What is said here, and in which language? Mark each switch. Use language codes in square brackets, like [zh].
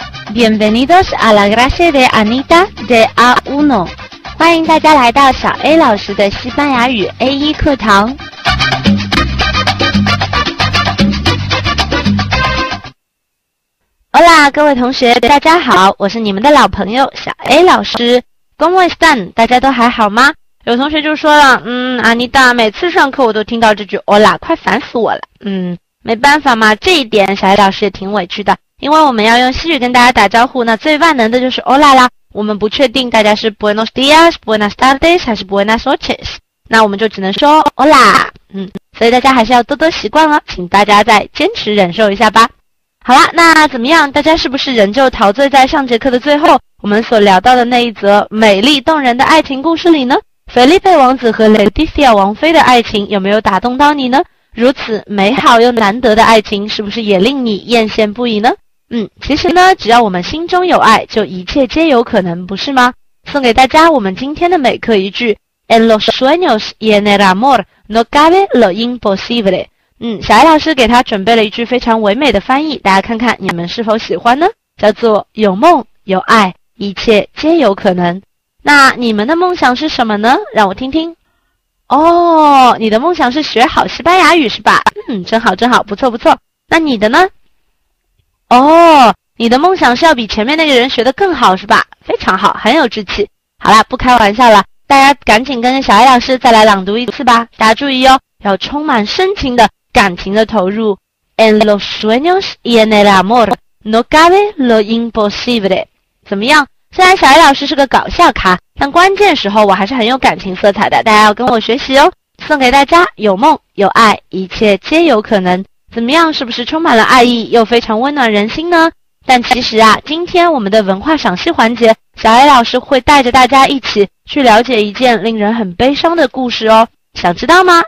[es] Bienvenidos a la clase de Anita de A1. [zh] 欢迎大家来到小 A 老师的西班牙语 A1 课堂。 Hola, 各位同学，大家好，我是你们的老朋友小 A 老师。 [es] ¿Cómo están? [zh] 大家都还好吗？有同学就说了，Anita, 每次上课我都听到这句 Hola, 快烦死我了。没办法嘛，这一点小 A 老师也挺委屈的。因为我们要用西语跟大家打招呼，那最万能的就是 Hola 啦。我们不确定大家是 Buenos días, Buenas tardes, 还是 Buenas noches, 那我们就只能说 Hola。所以大家还是要多多习惯了，请大家再坚持忍受一下吧。好啦，那怎么样，大家是不是仍旧陶醉在上节课的最后我们所聊到的那一则美丽动人的爱情故事里呢？菲利佩王子和雷迪西亚王妃的爱情有没有打动到你呢？如此美好又难得的爱情是不是也令你艳羡不已呢？其实呢，只要我们心中有爱，就一切皆有可能，不是吗？送给大家我们今天的美课一句 [es] En los sueños y en el amor no cabe lo imposible。 [zh] 小艾老师给他准备了一句非常唯美的翻译，大家看看你们是否喜欢呢？叫做有梦有爱一切皆有可能。那你们的梦想是什么呢？让我听听。哦，你的梦想是学好西班牙语是吧？真好真好，不错不错。那你的呢？哦，你的梦想是要比前面那个人学得更好是吧？非常好，很有志气。好啦，不开玩笑了，大家赶紧跟着小艾老师再来朗读一次吧。大家注意哦，要充满深情的感情的投入。 [es] En los sueños y en el amor no cabe lo imposible。 [zh] 怎么样，虽然小艾老师是个搞笑咖，但关键时候我还是很有感情色彩的，大家要跟我学习哦。送给大家有梦有爱一切皆有可能，怎么样，是不是充满了爱意又非常温暖人心呢？但其实啊，今天我们的文化赏析环节，小艾老师会带着大家一起去了解一件令人很悲伤的故事哦。想知道吗？